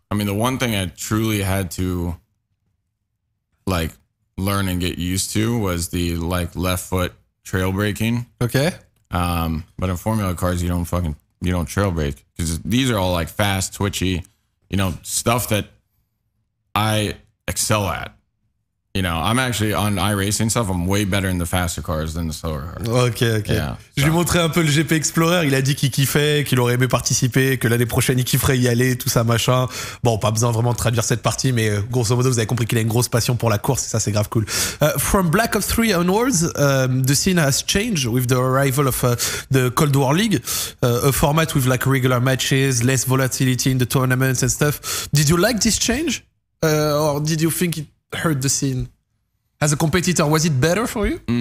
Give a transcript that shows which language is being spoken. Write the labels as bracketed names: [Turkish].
[English] I mean, the one thing I truly had to, like, learn and get used to was the, like, left foot trail braking. Okay. But in Formula cars, you don't trail brake. Because these are all, like, fast, twitchy, you know, stuff that I excel at. You know, I'm actually, on iRacing stuff, I'm way better in the faster cars than the slower cars. Okay, okay. Yeah, so. [French] Je lui ai montré un peu le GP Explorer. Il a dit qu'il kiffait, qu'il aurait aimé participer, que l'année prochaine, il kifferait y aller, tout ça, machin. Bon, pas besoin vraiment de traduire cette partie, mais grosso modo, vous avez compris qu'il a une grosse passion pour la course, et ça, c'est grave cool. [English] From Black Ops 3 onwards, the scene has changed with the arrival of the Cold War League, a format with like regular matches, less volatility in the tournaments and stuff. Did you like this change? Or did you think it hurt the scene? As a competitor, was it better for you?